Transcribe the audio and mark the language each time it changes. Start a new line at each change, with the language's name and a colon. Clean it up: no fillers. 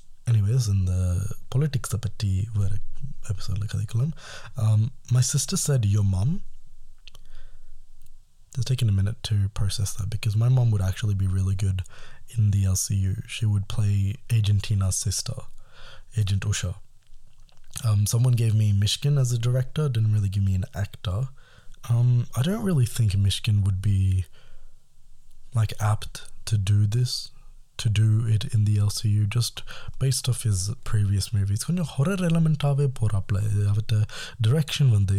Tamil: Anyways, இந்த பொலிட்டிக்ஸை பற்றி வேறு எபிசோடில் கதைக்கலாம்.
English: My sister said yo mom just taking a minute to process that, because my mom would actually be really good in the LCU. She would play Agentina's sister, Agent Usha. Someone gave me Mishkin as a director, didn't really give me an actor. I don't really think Mishkin would be like apt to do this, to do it in the LCU, just based off his previous movies.
Tamil: கொஞ்சம் horror element ஆவே போறாப்ல அவட்ட direction வந்து.